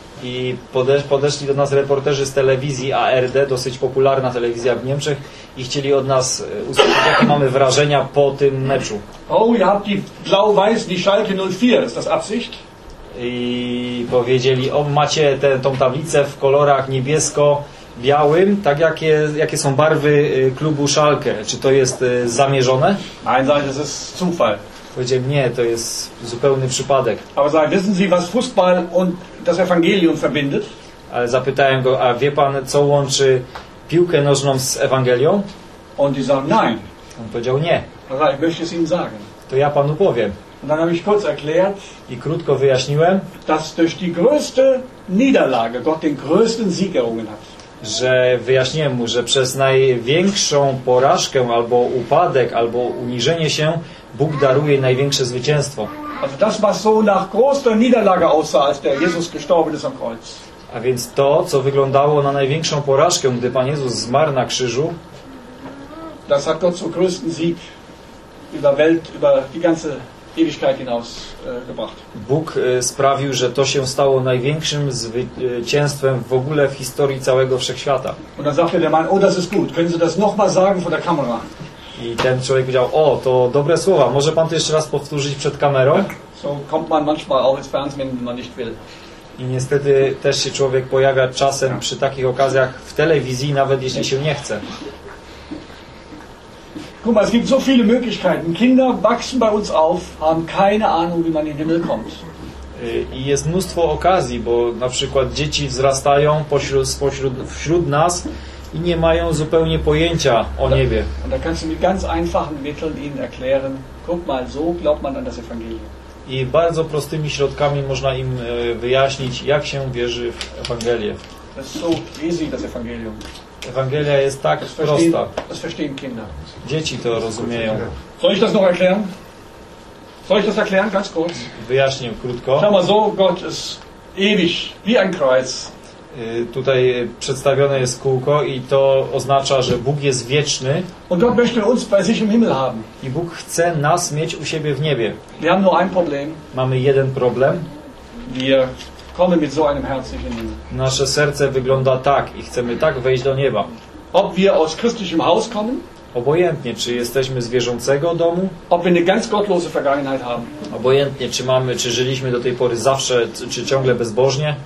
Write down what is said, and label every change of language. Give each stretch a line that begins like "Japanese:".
Polish: I podeszli do nas reporterzy z telewizji ARD, dosyć popularna telewizja w Niemczech, i chcieli od nas usłyszeć, jakie mamy wrażenia po tym meczu.
German: Oh, ihr habt die blau-weiß, die Schalke 04, ist das Absicht?
Polish: I powiedzieli, o, macie tą tablicę w kolorach niebiesko-białym, tak jakie są barwy klubu Schalke. Czy to jest zamierzone?
German: Nein, nein, das ist Zufall.
Polish: Powiedziałem, nie, to jest zupełny przypadek.
German: Aber sagen, wissen Sie, was Fußball und das Evangelium verbindet?
Polish: Ale zapytałem go, a wie pan, co łączy piłkę nożną z Ewangelią?
German: Und die sagen, nein.
Polish: On powiedział, nie.
German: Also, ich möchte es Ihnen sagen.
Polish: To ja panu powiem.
German: Und dann habe ich kurz erklärt,
Polish: i krótko wyjaśniłem,
German: dass durch die größte Niederlage Gott den größten Sieg errungen hat.
Polish: Że wyjaśniłem mu, że przez największą porażkę, albo upadek, albo uniżenie się, Bóg daruje największe zwycięstwo.
German: Also das, was so nach großer Niederlage aussah, als der Jesus gestorben ist am Kreuz.
Polish: A więc to, co wyglądało na największą porażkę, gdy Pan Jezus zmarł na krzyżu,
German: das hat Gott zum größten Sieg über Welt, über die ganze Ewigkeit hinaus gebracht.
Polish: Bóg sprawił, że to się stało największym zwycięstwem w ogóle w historii całego wszechświata.
German: Und dann sagte der Mann, oh, das ist gut, können Sie das nochmal sagen vor der Kamera?
Polish: I ten człowiek powiedział, o, to dobre słowa, może pan to jeszcze raz powtórzyć przed kamerą?
German: So kommt man manchmal auch ins Fernsehen, wenn man nicht will.
Polish: I niestety też się człowiek pojawia czasem przy takich okazjach w telewizji, nawet jeśli się nie chce.
German: Guck mal, es gibt so viele Möglichkeiten. Kinder wachsen bei uns auf, haben keine Ahnung, wie man in den Himmel kommt.
Polish: I jest mnóstwo okazji, bo na przykład dzieci wzrastają wśród nas, i nie mają zupełnie pojęcia o niebie.
German: Und da kannst du mit ganz einfachen Mitteln ihnen erklären, guck mal, so glaubt man an das Evangelium.
Polish: I bardzo prostymi środkami można im wyjaśnić, jak się wierzy w Ewangelię.
German: Das ist so easy, das Evangelium.
Polish: Ewangelia jest tak prosta.
German: Das verstehen Kinder.
Polish: Dzieci to rozumieją.
German: Soll ich das noch erklären? Soll ich das erklären, ganz kurz?
Polish: Wyjaśnię krótko.
German: Schau mal, so Gott ist ewig, wie ein Kreuz.
Polish: Tutaj przedstawione jest kółko i to oznacza, że Bóg jest wieczny.
German: Und Gott möchte uns bei sich im Himmel haben.
Polish: I Bóg chce nas mieć u siebie w niebie.
German: Wir haben nur ein Problem.
Polish: Mamy jeden problem.
German: Wir kommen mit so einem Herz nicht in den Himmel.
Polish: Nasze serce wygląda tak i chcemy tak wejść do nieba.
German: Ob wir aus christlichem Haus kommen?
Polish: Obojętnie, czy jesteśmy z wierzącego domu.
German: Ob wir eine ganz gottlose Vergangenheit haben.
Polish: Obojętnie, czy żyliśmy do tej pory zawsze, czy ciągle bezbożnie.